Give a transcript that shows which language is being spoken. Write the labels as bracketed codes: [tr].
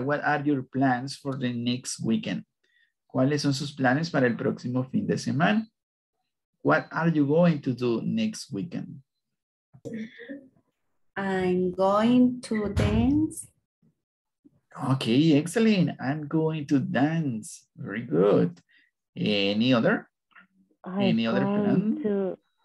[en] What are your plans for the next weekend? [es] ¿Cuáles son sus planes para el próximo fin de semana? [en] What are you going to do next weekend? I'm going to dance. Okay, excellent. I'm going to dance. Very good. Any other plan?